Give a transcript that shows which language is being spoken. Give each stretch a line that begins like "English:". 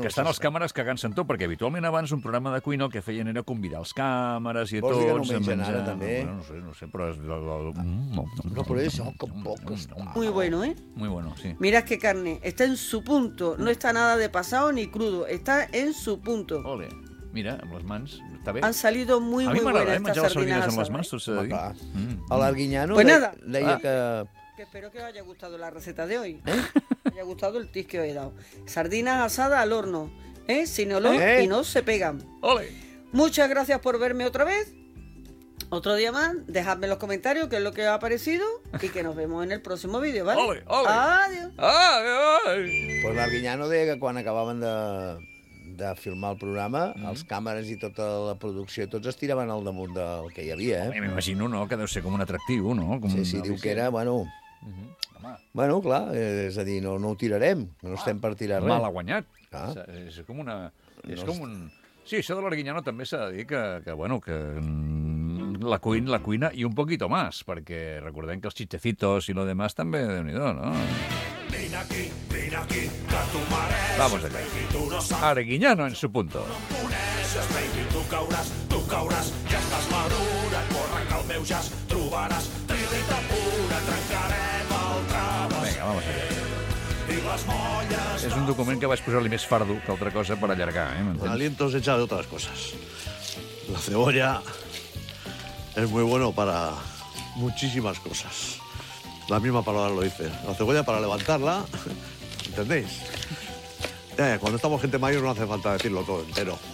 Catalan: que estan les càmeres cagant-se en tot, perquè habitualment abans un programa de cuina el que feien era convidar els càmeres i vols tots... Vols dir que no mengen ara, també? No sé, però és... No, però això, que poc està.
Spanish: Muy bueno, Muy bueno, sí. Mirad qué carne, está en su punto, no está nada de pasado ni crudo, está en su punto.
Catalan: Ole, mira, amb les mans, està bé.
Spanish: Han salido muy, muy buenas estas sardinas.
Catalan: A mi m'agrada menjar les amb les mans, tu s'ha de dir. A l'Arguiñano pues deia que...
Spanish: Que espero que os haya gustado la receta de hoy. Me ha gustado el tip que os he dado. Sardinas asadas al horno, sin olor y no se pegan. ¡Ole! Muchas gracias por verme otra vez. Otro día más, dejadme los comentarios qué es lo que os ha parecido y que nos vemos en el próximo vídeo, ¿vale? ¡Ole, ole! ¡Adiós! ¡Ole, ole!
Catalan: Pues Marguiñano deia que quan acabaven de filmar el programa, els càmeres i tota la producció, tots es tiraven al damunt del que hi havia, eh? M'imagino, no?, que deu ser com un atractiu, no? Com sí, sí, diu que era, bueno... Bueno, clar, és a dir, no ho tirarem, no estem per tirar res. Mal ha guanyat. És com una... És com un... Sí, això de l'Arguiñano també s'ha de dir que bueno, que... La cuina i
Spanish: un poquito más,
Catalan: perquè recordem que els chistecitos i lo demás també, déu-n'hi-do, no? Vine aquí, que tu mereixes.
Spanish: Vamos allá.
Catalan: Arguiñano en su punto. No em coneixes, baby, tu cauràs. Ja estàs madura, corre que el meu jazz trobaràs. Trilita pura, trencarem el traves. Vinga,
Spanish: vamos allá.
Catalan: És un document que vaig posar-li més fardo que altra cosa per allargar, eh? M'entens?
Spanish: Aliento se echa de otras cosas. La cebolla... Es muy bueno para muchísimas cosas. La misma palabra lo dice. La cebolla para levantarla, ¿entendéis? Cuando estamos gente mayor no hace falta decirlo todo entero.